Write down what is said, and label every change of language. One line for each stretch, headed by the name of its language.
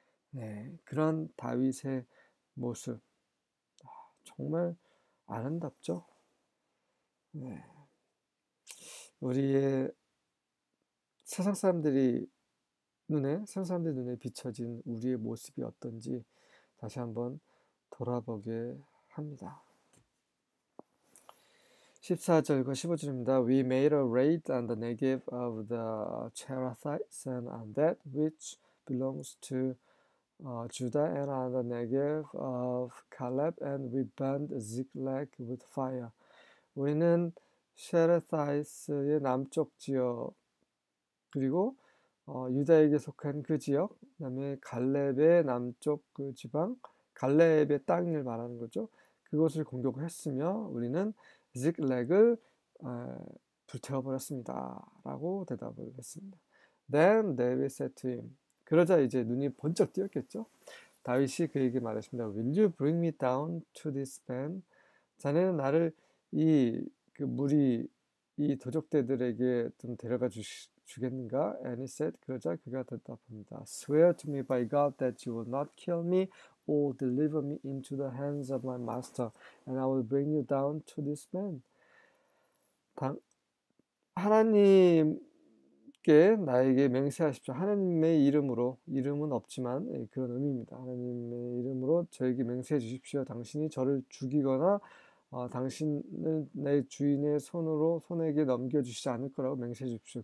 Korean: 네, 그런 다윗의 모습, 정말 아름답죠? 네. 우리의 세상 사람들 눈에 비춰진 우리의 모습이 어떤지 다시 한번 돌아보게 합니다. 14절과 15절입니다.
English: We made a raid on the Negev of the Cherethites and on that which belongs to Judah and on the Negev of Caleb and we burned Ziklag with fire.
Korean: 우리는 Cherethites의 남쪽 지역 그리고 유다에게 속한 그 지역, 그다음에 갈렙의 남쪽 그 지방, 갈렙의 땅을 말하는 거죠. 그곳을 공격했으며 우리는 지글렉을 불태워버렸습니다 라고 대답을 했습니다.
English: Then David said to him.
Korean: 그러자 이제 눈이 번쩍 띄었겠죠. 다윗이 그에게 말했습니다.
English: Will you bring me down to this man?
Korean: 자네는 나를 이 도적대들에게 좀 데려가 주겠는가?
English: And he said.
Korean: 그러자 그가 대답합니다.
English: Swear to me by God that you will not kill me. Or deliver me into the hands of my master, and I will bring you down to this man.
Korean: 하나님께 나에게 맹세하십시오. 하나님의 이름으로, 이름은 없지만 그런 의미입니다. 하나님의 이름으로 저에게 맹세해 주십시오. 당신이 저를 죽이거나 당신을 내 주인의 손으로 손에게 넘겨주시지 않을 거라고 맹세해 주십시오.